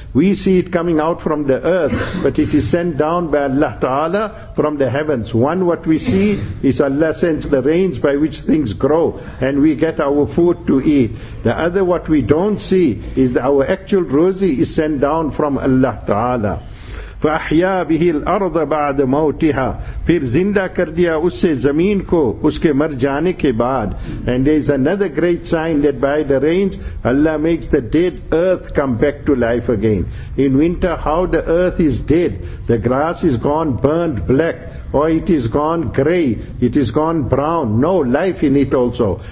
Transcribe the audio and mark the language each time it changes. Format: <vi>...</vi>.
<en>We see it coming out from the earth, but it is sent down by Allah Ta'ala from the heavens. One, what we see is Allah sends the rains by which things grow and we get our food to eat. The other, what we don't see is that our actual rosy is sent down from Allah Ta'ala.</en> <ar>فَأَحْيَا بِهِ الْأَرْضَ بَعْدَ مَوْتِهَا,</ar> <ur>پھر زندہ کر دیا اس سے زمین کو اس کے مر جانے کے بعد.</ur> <en>And there is another great sign that by the rains, Allah makes the dead earth come back to life again. In winter, how the earth is dead, the grass is gone burnt black, or it is gone grey, it is gone brown, no life in it also.</en>